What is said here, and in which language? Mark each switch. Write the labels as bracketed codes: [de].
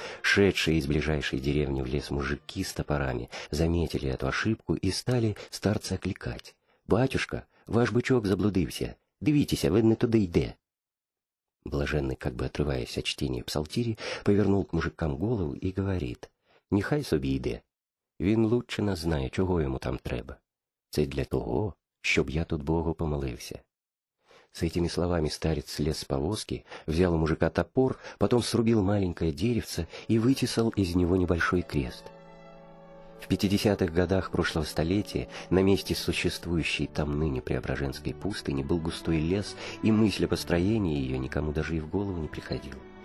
[ru] Шедшие из ближайшей деревни в лес мужики с топорами заметили эту ошибку и стали старца окликать. «Батюшка, ваш бычок заблудился, дивитеся, вы не туда иде». Блаженный, как бы отрываясь от чтения псалтири, повернул к мужикам голову и говорит: [uk] «Нехай собі йде. Він лучше нас знає, чого йому там треба. Це для того, щоб я тут Богу помолився». [ru] С этими словами старец слез с повозки, взял у мужика топор, потом срубил маленькое деревце и вытесал из него небольшой крест. В 50-х годах прошлого столетия на месте существующей там ныне Преображенской пустыни был густой лес, и мысль о построении ее никому даже и в голову не приходила.